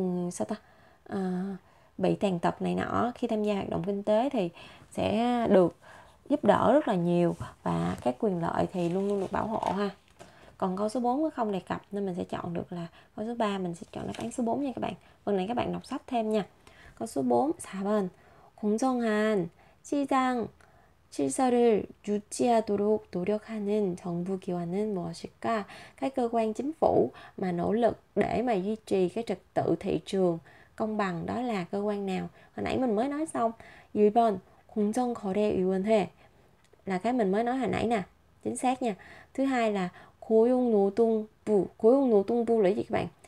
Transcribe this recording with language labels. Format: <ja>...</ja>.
<vi>sao ta bị tàn tật này nọ khi tham gia hoạt động kinh tế thì sẽ được giúp đỡ rất là nhiều, và các quyền lợi thì luôn luôn được bảo hộ ha. Còn câu số 4 không đề cập nên mình sẽ chọn được là câu số 3, mình sẽ chọn đáp án số 4 nha các bạn. Phần này các bạn đọc sách thêm nha. Câu số 4, 4번.</vi> <ko>공정한 시장 질서를 유지하도록 노력하는 정부 기관은 무엇일까?</ko> <vi>Cái cơ quan chính phủ mà nỗ lực để mà duy trì cái trật tự thị trường công bằng đó là cơ quan nào? Hồi nãy mình mới nói xong. 1번, 공정거래위원회 là cái mình mới nói hồi nãy nè. Chính xác nha. Thứ hai là Khối ung nụ tung là gì các bạn?</vi>